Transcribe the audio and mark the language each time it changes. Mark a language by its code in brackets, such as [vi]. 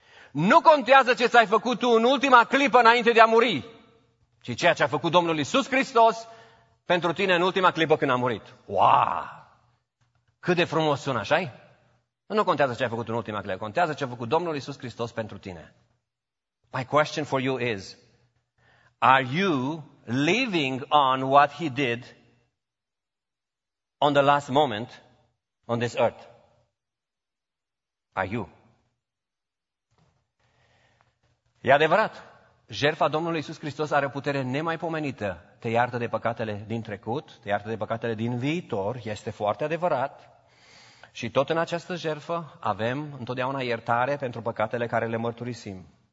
[ro] Nu contează ce ți-ai făcut tu în ultima clipă înainte de a muri, ci ceea ce a făcut Domnul Iisus Hristos pentru tine în ultima clipă când a murit. Wow! Cât de frumos sună, așa-i? Nu contează ce ai făcut în ultima clipă, contează ce a făcut Domnul Iisus Hristos pentru tine. [en] My question for you is, are you living on what he did on the last moment on this earth? Are you? [ro] E adevărat, jertfa Domnului Iisus Hristos are o putere nemaipomenită. Te iartă de păcatele din trecut, te iartă de păcatele din viitor, este foarte adevărat. Și tot în această jertfă avem întotdeauna iertare pentru păcatele care le mărturisim.